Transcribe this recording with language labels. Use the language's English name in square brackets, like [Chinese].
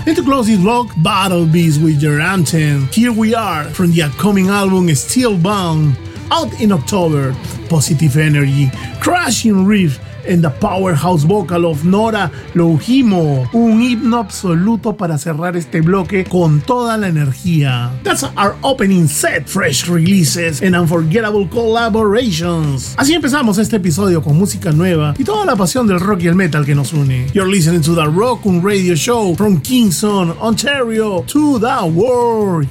[English] And to close this vlog, Battle Beast with your anthem. Here we are from the upcoming album Steel Bound, out in October. Positive energy, crashing riff, and the powerhouse vocal of Nora Lohimo. [Spanish] Un himno absoluto para cerrar este bloque con toda la energía. [English] That's our opening set, fresh releases and unforgettable collaborations. [Spanish] Así empezamos este episodio con música nueva y toda la pasión del rock y el metal que nos une. [English] You're listening to the Rock'em Radio Show from Kingston, Ontario, to the world.